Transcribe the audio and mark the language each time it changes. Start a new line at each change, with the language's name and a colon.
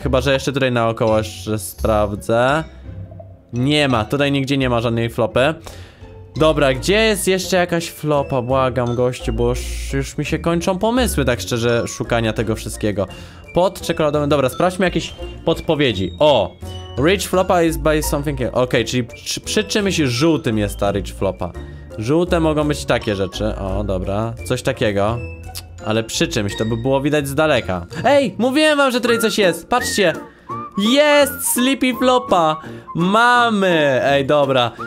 Polish: Chyba, że jeszcze tutaj naokoło jeszcze sprawdzę. Nie ma, tutaj nigdzie nie ma żadnej flopy. Dobra, gdzie jest jeszcze jakaś flopa? Błagam gościu, bo już mi się kończą pomysły, tak szczerze, szukania tego wszystkiego. Pod czekoladowym, dobra, sprawdźmy jakieś podpowiedzi.
English: O, rich flopa is by something.
Polish: Okej, czyli przy czymś żółtym jest ta rich flopa. Żółte mogą być takie rzeczy. O, dobra, coś takiego. Ale przy czymś, to by było widać z daleka. Ej, mówiłem wam, że tutaj coś jest. Patrzcie. Jest Sleepy Flopa! Mamy! Ej, dobra.